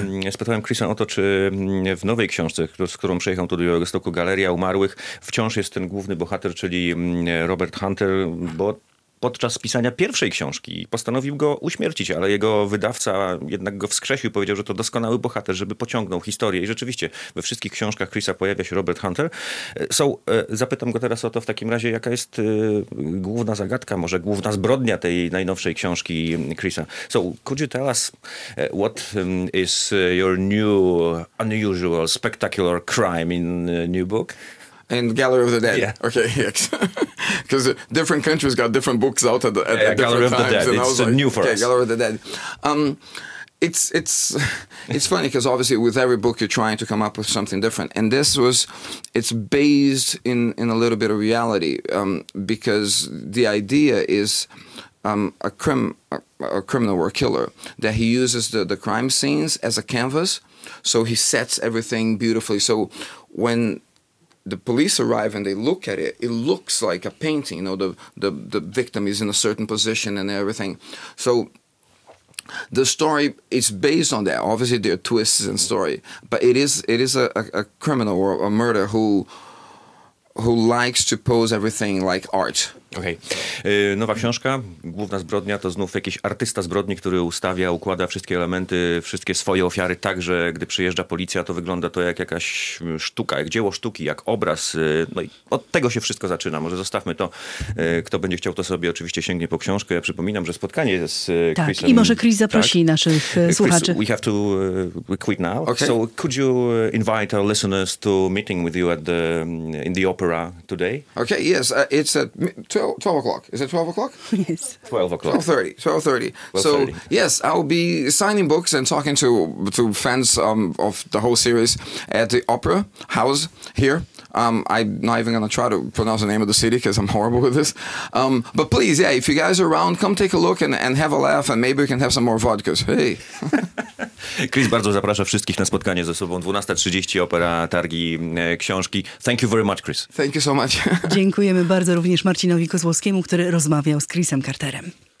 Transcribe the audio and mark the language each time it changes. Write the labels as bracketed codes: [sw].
[pl] Spytałem Chrisa o to, czy w nowej książce, z którą przyjechał tu do Białegostoku, Galeria Umarłych, wciąż jest ten główny bohater, czyli Robert Hunter, bo podczas pisania pierwszej książki postanowił go uśmiercić, ale jego wydawca jednak go wskrzesił, powiedział, że to doskonały bohater, żeby pociągnął historię. I rzeczywiście we wszystkich książkach Chrisa pojawia się Robert Hunter. So, zapytam go teraz o to w takim razie, jaka jest główna zagadka, może główna zbrodnia tej najnowszej książki Chrisa. [en] So, could you tell us what is your new, unusual, spectacular crime in the new book? And Gallery of the Dead. Yeah. Okay. Because different countries got different books out at different times. Gallery of the Dead. It's new for us. Gallery of the Dead. It's funny because obviously with every book you're trying to come up with something different. And this was, it's based in a little bit of reality because the idea is a criminal or a killer that he uses the crime scenes as a canvas. So he sets everything beautifully. So when the police arrive and they look at it, it looks like a painting, you know, the victim is in a certain position and everything. So the story is based on that. Obviously there are twists in story, but it is a criminal or a murderer who likes to pose everything like art. Okej. Okay. [pl] Nowa książka, główna zbrodnia, to znów jakiś artysta zbrodni, który ustawia, układa wszystkie elementy, wszystkie swoje ofiary tak, że gdy przyjeżdża policja, to wygląda to jak jakaś sztuka, jak dzieło sztuki, jak obraz. No i od tego się wszystko zaczyna. Może zostawmy to. Kto będzie chciał, to sobie oczywiście sięgnie po książkę. Ja przypominam, że spotkanie jest z Chrisem. Tak, i może Chris zaprosi naszych słuchaczy. [en] Chris, we have to quit now. Okay. So could you invite our listeners to meeting with you in the opera today? Okay, yes. It's a 12 o'clock. Is it 12 o'clock? Yes. 12 o'clock. 12:30. So, yes, I'll be signing books and talking to fans of the whole series at the Opera House here. I'm not even going to try to pronounce the name of the city because I'm horrible with this. But please, yeah, if you guys are around, come take a look and have a laugh and maybe we can have some more vodkas. Hey. [pl] Chris bardzo zaprasza wszystkich na spotkanie ze sobą. 12:30, Opera, Targi, książki. [en] Thank you very much, Chris. Thank you so much. [pl] Dziękujemy bardzo również Marcinowi Kozłowskiemu, który rozmawiał z Chrisem Carterem.